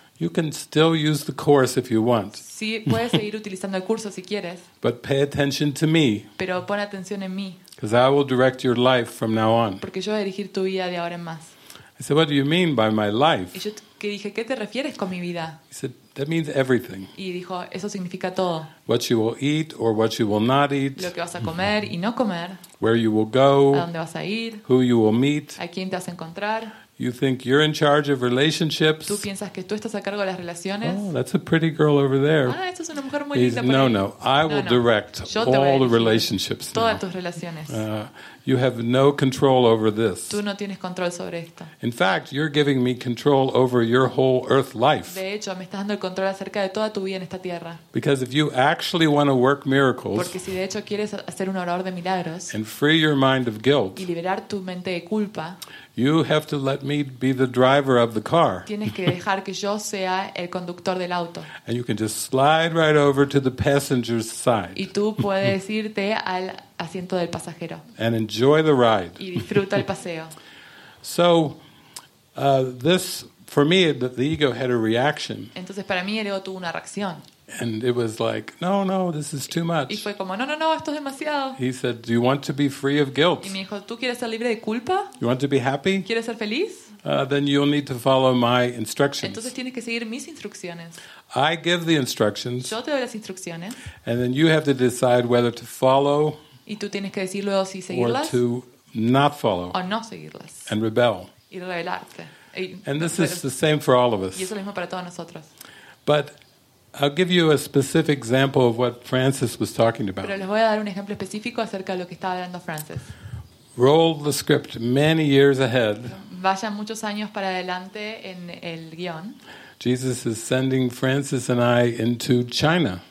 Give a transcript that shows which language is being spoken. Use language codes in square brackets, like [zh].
[en] You can still use the course if you want. [es] Sí, puedes seguir utilizando el curso si quieres. [en] But pay attention to me. [es] Pero pon atención en mí. [en] Because I will direct your life from now on. [es] Porque yo voy a dirigir tu vida de ahora en más. [en] I said, "What do you mean by my life?" [es] Y yo dije, ¿qué te refieres con mi vida? [en] He said, "That means everything." [es] Y dijo, eso significa todo. [en] What you will eat or what you will not eat. [es] Lo que vas a comer y no comer. [en] Where you will go. [es] A dónde vas a ir. [en] Who you will meet. [es] A quién te vas a encontrar. [en] You think you're in charge of relationships? [es] ¿Tú piensas que tú estás a cargo de las relaciones? [en] Oh, that's a pretty girl over there. [es] Ah, esa es una mujer muy linda por ahí. [en] No, no. I will direct all the relationships. [es] Todas tus relaciones. [en] You have no control over this. [es] Tú no tienes control sobre esto. [en] In fact, you're giving me control over your whole earth life. [es] De hecho, me estás dando el control acerca de toda tu vida en esta tierra. [en] Because if you actually want to work miracles. [es] Porque si de hecho quieres hacer un orador de milagros. [en] And free your mind of guilt. [es] Y liberar tu mente de culpa. [en] You have to let me be the driver of the car. [es] Tienes que dejar que yo sea el conductor del auto. [en] And you can just slide right over to the passenger's side. [es] Y tú puedes irte al asiento del pasajero. [en] And enjoy the ride. [es] Y disfruta el paseo. [en] So, this for me, the ego had a reaction. [es] Entonces para mí el ego tuvo una reacción. [en] And it was like, no, no, this is too much. [es] Y fue como, no, no, no, esto es demasiado. [en] He said, "Do you want to be free of guilt?" [es] Y me dijo, ¿tú quieres ser libre de culpa? [en] You want to be happy? [es] ¿Quieres ser feliz? [en] Then you'll need to follow my instructions. [es] Entonces tienes que seguir mis instrucciones. [en] I give the instructions. [es] Yo te doy las instrucciones. [en] And then you have to decide whether to follow. [es] Y tú tienes que decir luego si seguirlas. [en] Or to not follow. [es] O no seguirlas. [en] And rebel. [es] Y rebelarte. [en] And this is the same for all of us. [es] Y es lo mismo para todos nosotros. [en] But I'll give you a specific example of what Francis was talking about. [es] Pero les voy a dar un ejemplo específico acerca de lo que estaba hablando Francis. [en] Roll the script many years ahead. [es] Vaya muchos años para adelante en el guión. [en] Jesus is sending Francis and I into China.